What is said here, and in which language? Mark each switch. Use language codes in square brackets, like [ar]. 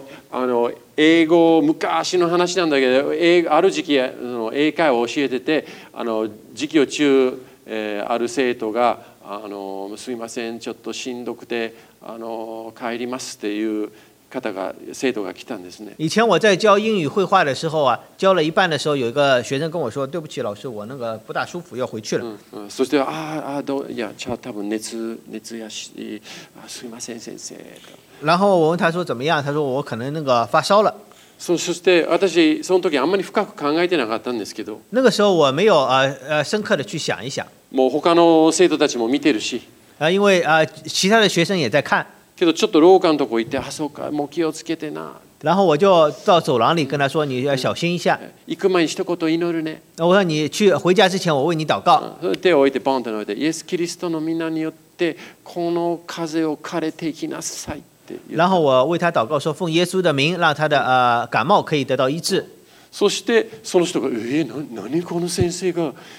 [ja] あの英語昔の話なんだけど、ある時期英会話を教えてて、あの時期を中、ある生徒が、あのすみませんちょっとしんどくて、あの帰りますっていう。生徒が来たんですね。 [zh] 以前我在教英语绘画的时候啊，教了一半的时候，有一个学生跟我说：“对不起，老师，我那个不大舒服，要回去了。” [ja] そしてああどういやちょっと多分熱やし、あすいません先生。 [zh] 然后我问他说怎么样，他说我可能那个发烧了。 [ja] そして私その時あんまり深く考えてなかったんですけど。 [zh] 那个时候我没有深刻的去想一想。 [ja] もう他の生徒たちも見てるし。 [zh] 因为其他的学生也在看。 [ja] けどちょっと廊下のとこ行ってあそうかもう気をつけてな。 [zh] 然后我就到走廊里跟他说你要小心一下。 [ja] 行く前に一言祈るね。 [zh] 我说你去回家之前我为你祷告。 [ja] 手を置いてポンと置いてイエスキリストの皆によってこの風を枯れていきなさいって。 [zh] 然后我为他祷告说奉耶稣的名让他的感冒可以得到医治。 [ja] そしてその人が何この先生が。